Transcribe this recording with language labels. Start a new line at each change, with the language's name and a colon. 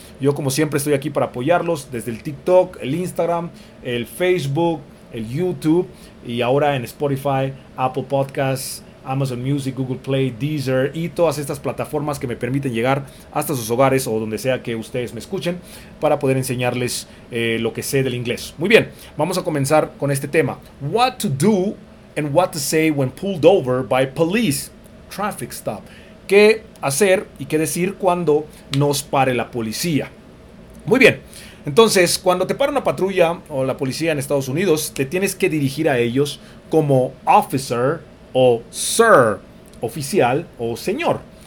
Spanish: Yo, como siempre, estoy aquí para apoyarlos desde el TikTok, el Instagram, el Facebook, el YouTube y ahora en Spotify, Apple Podcasts, Amazon Music, Google Play, Deezer y todas estas plataformas que me permiten llegar hasta sus hogares o donde sea que ustedes me escuchen para poder enseñarles lo que sé del inglés. Muy bien, vamos a comenzar con este tema.
English: What to do and what to say when pulled over by police. Traffic stop.
Spanish: ¿Qué hacer y qué decir cuando nos pare la policía? Muy bien, entonces cuando te para una patrulla o la policía en Estados Unidos, te tienes que dirigir a ellos como officer o sir, oficial o señor.